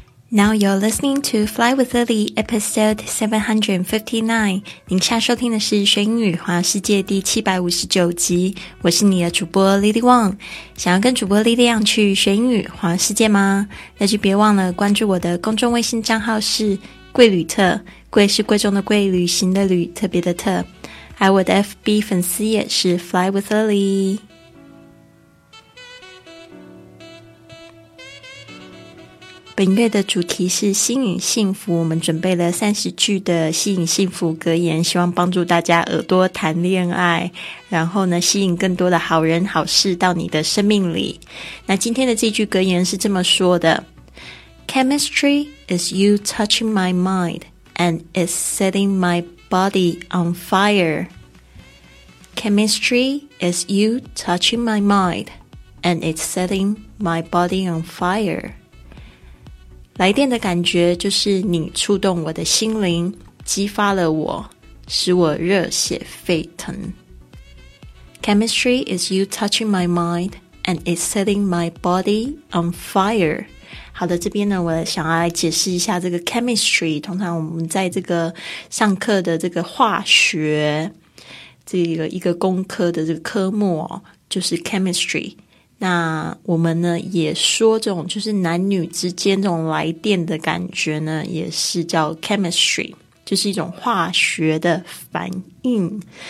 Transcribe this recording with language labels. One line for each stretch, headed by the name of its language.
English: Now you're listening to Fly with Lily, episode 759.
Chinese: 您现在收听的是学英语环游世界第759集。我是你的主播 Lily Wang。想要跟主播 Lily Wang 去学英语环游世界吗？那就别忘了关注我的公众微信账号是贵旅特。贵是贵重的贵，旅行的旅，特别的特。还有我的 FB 粉丝也是 Fly with Lily。本月的主题是吸引幸福，我们准备了30句的吸引幸福格言，希望帮助大家耳朵谈恋爱，然后呢吸引更多的好人好事到你的生命里。那今天的这句格言是这么说的，
English: Chemistry is you touching my mind and is setting my body on fire. Chemistry is you touching my mind and is setting my body on fire.
Chinese: 来电的感觉就是你触动我的心灵，激发了我，使我热血沸腾。
English: Chemistry is you touching my mind and is setting my body on fire.
Chinese: 好的，这边呢我想要来解释一下这个 chemistry， 通常我们在这个上课的这个化学这个一个工科的这个科目哦，就是 chemistry。那我们呢也说这种就是男女之间这种来电的感觉呢也是叫 chemistry， 就是一种化学的反应。